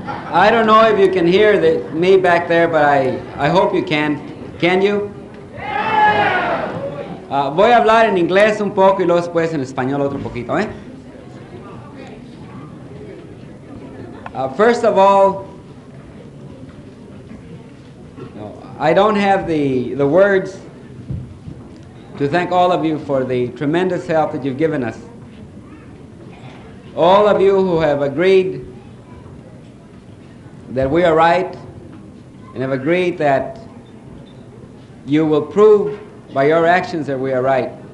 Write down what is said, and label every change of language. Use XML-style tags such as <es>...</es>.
<en>I don't know if you can hear me back there, but I hope you can. Can you?</en> <es>Voy a hablar en inglés un poco y luego después en español otro poquito, ¿eh?</es> <en>First of all, I don't have the words to thank all of you for the tremendous help that you've given us. All of you who have agreed that we are right and have agreed that you will prove by your actions that we are right.</en>